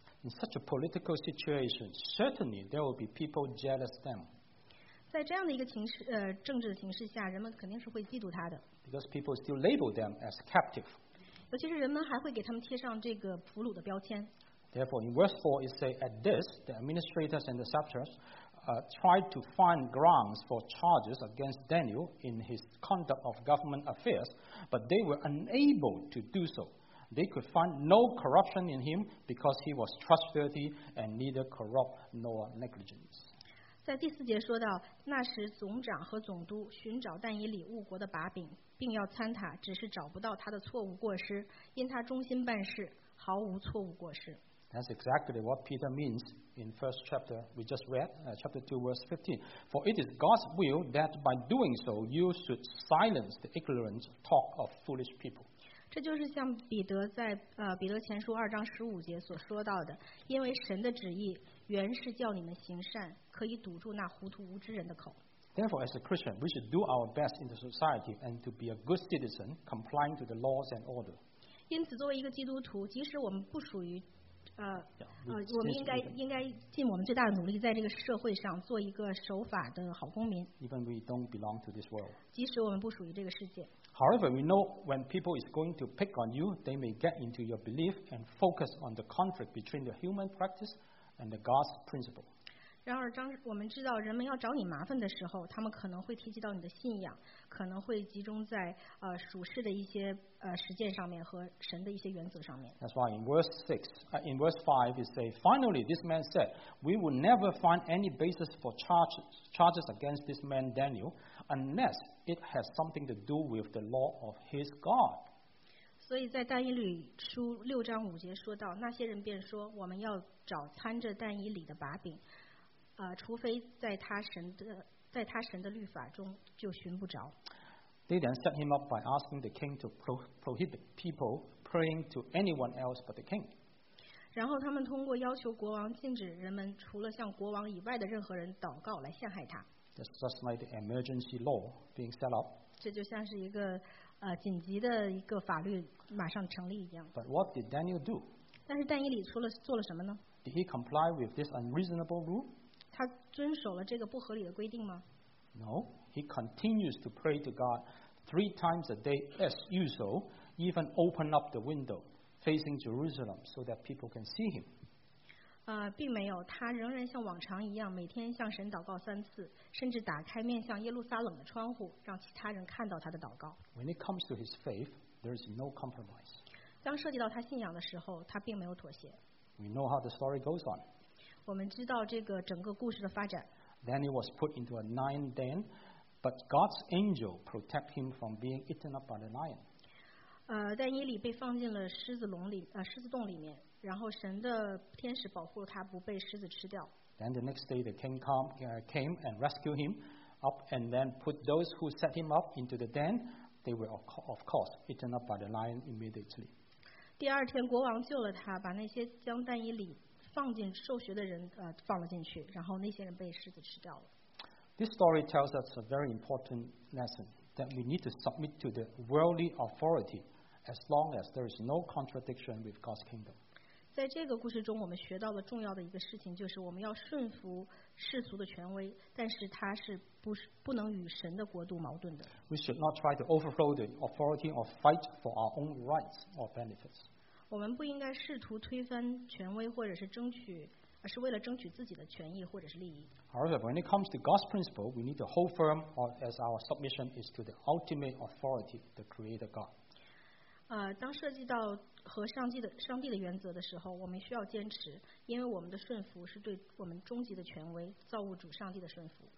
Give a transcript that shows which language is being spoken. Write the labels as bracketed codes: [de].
[en] In such a political situation, certainly there will be people jealous of them. [zh] 在这样的一个政治的形势下，人们肯定是会嫉妒他的。 [en] Because people still label them as captive. [zh] 尤其是人们还会给他们贴上这个俘虏的标签。 [en] Therefore, in verse 4, it says, at this, the administrators and the satraps tried to find grounds for charges against Daniel in his conduct of government affairs, but they were unable to do so. They could find no corruption in him because he was trustworthy and neither corrupt nor negligent. [zh] 在第四节说到，那时总长和总督寻找但以理误国的把柄，并要参他，只是找不到他的错误过失，因他忠心办事，毫无错误过失。 [en] That's exactly what Peter means in first chapter we just read, chapter 2, verse 15. For it is God's will that by doing so, you should silence the ignorant talk of foolish people. [zh] 这就是像彼得在彼得前书二章十五节所说到的，因为神的旨意原是叫你们行善，可以堵住那糊涂无知人的口。 [en] Therefore, as a Christian, we should do our best in the society and to be a good citizen, complying to the laws and order. [zh] 因此，作为一个基督徒，即使我们不属于我们应该尽我们最大的努力，在这个社会上做一个守法的好公民。 [en] Even we don't belong to this world. [zh] 即使我们不属于这个世界。 [en] However, we know when people is going to pick on you, they may get into your belief and focus on the conflict between the human practice and the God's principle. [zh] 然而，我们知道人们要找你麻烦的时候，他们可能会提及到你的信仰，可能会集中在属世的一些实践上面和神的一些原则上面。 [en] That's why in verse five, it says, "Finally, this man said, 'We will never find any basis for charges against this man Daniel, unless it has something to do with the law of his God.'" [zh] 所以在但以理书六章五节说到，那些人便说，我们要找参着但以理的把柄。除非在他神的律法中就寻不着。 [en] They then set him up by asking the king to prohibit people praying to anyone else but the king. [zh] 然后他们通过要求国王禁止人们除了向国王以外的任何人祷告来陷害他。 [en] That's just like the emergency law being set up. [zh] 这就像是一个紧急的一个法律马上成立一样。 [en] But what did Daniel do? [zh] 但是但以理做了什么呢？ [en] Did he comply with this unreasonable rule? [zh] 他遵守了这个不合理的规定吗？ [en] No, he continues to pray to God three times a day as usual, even open up the window facing Jerusalem so that people can see him. [zh] 并没有，他仍然像往常一样，每天向神祷告三次，甚至打开面向耶路撒冷的窗户，让其他人看到他的祷告。 [en] When it comes to his faith, there is no compromise. [zh] 当涉及到他信仰的时候，他并没有妥协。 [en] We know how the story goes on. [zh] 我们知道这个整个故事的发展。 [en] Daniel was put into a lion den, but God's angel protected him from being eaten up by the lion. [zh] 但以理被放进了狮子洞里面，然后神的天使保护了他不被狮子吃掉。 [en] Then the next day, the king came and rescued him up, and then put those who set him up into the den. They were of course eaten up by the lion immediately. [zh] 第二天，国王救了他，把那些将但以理放进受学的人放了进去，然后那些人被狮子吃掉了。 [en] This story tells us a very important lesson that we need to submit to the worldly authority as long as there is no contradiction with God's kingdom. [zh] 在这个故事中，我们学到了重要的一个事情，就是我们要顺服世俗的权威，但是它是不能与神的国度矛盾的。 [en] We should not try to overthrow the authority or fight for our own rights or benefits. [zh] 我们不应该试图推翻权威，或者是争取，而是为了争取自己的权益或者是利益。 [en] However, when it comes to God's principle, we need to hold firm as our submission is to the ultimate authority, the Creator God. [zh] 当涉及到和上帝的原则的时候，我们需要坚持，因为我们的顺服是对我们终极的权威造物主上帝的顺服。